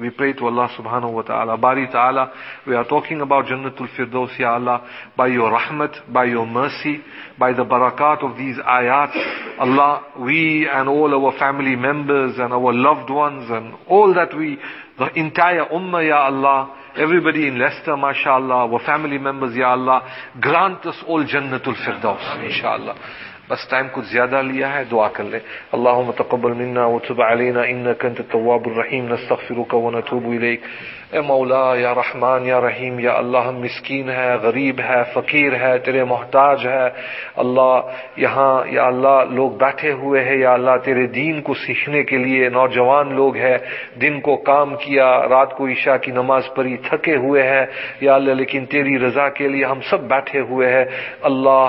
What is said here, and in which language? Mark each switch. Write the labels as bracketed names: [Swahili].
[English] We pray to Allah subhanahu wa ta'ala. Bari ta'ala, we are talking about Jannatul Firdaus, ya Allah, by your rahmat, by your mercy, by the barakat of these ayat. Allah, we and all our family members and our loved ones and all that we, the entire ummah, ya Allah, everybody in Leicester, mashallah, our family members, ya Allah, grant us all Jannatul Firdaus, inshallah. [Urdu] بس time کچھ زیادہ لیا ہے دعا کر لیں. [Arabic] اللهم تقبل منا وتب علينا انك انت التواب الرحيم نستغفرك ونتوب اليك. [Urdu] اے مولا یا رحمان یا رحیم یا اللہ, ہم مسکین ہے, غریب ہے, فقیر ہے, تیرے محتاج ہے اللہ. یہاں یا اللہ لوگ بیٹھے ہوئے ہیں یا اللہ تیرے دین کو سیکھنے کے لیے, نوجوان لوگ ہیں, دن کو کام کیا, رات کو عشاء کی نماز پڑھی, تھکے ہوئے ہیں یا اللہ, لیکن تیری رضا کے لیے ہم سب بیٹھے ہوئے ہیں اللہ.